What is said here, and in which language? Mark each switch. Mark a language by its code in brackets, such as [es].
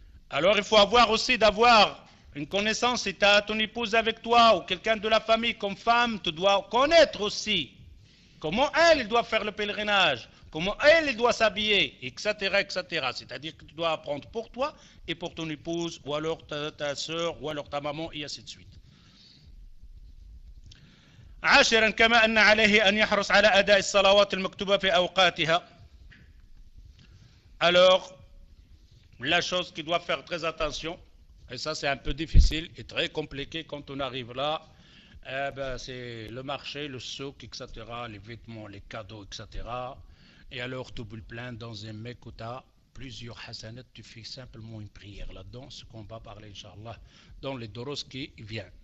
[fr] Alors, il faut avoir aussi d'avoir une connaissance. Si tu as ton épouse avec toi ou quelqu'un de la famille comme femme, tu dois connaître aussi. Comment elle doit faire le pèlerinage, comment elle doit s'habiller, etc., etc. C'est-à-dire que tu dois apprendre pour toi et pour ton épouse, ou alors ta soeur, ou alors ta maman, et ainsi de suite. [ar] عاشرا كما أن عليه أن يحرص على أداء الصلوات المكتوبة في أوقاتها. [fr] Alors, la chose qu'il doit faire très attention, et ça c'est un peu difficile et très compliqué quand on arrive là. Eh ben, c'est le marché, le souk, etc., les vêtements, les cadeaux, etc. Et alors, tu boules plein dans un mec où tu as plusieurs hasanat, tu fais simplement une prière là-dedans, ce qu'on va parler, Inch'Allah, dans les doros qui viennent.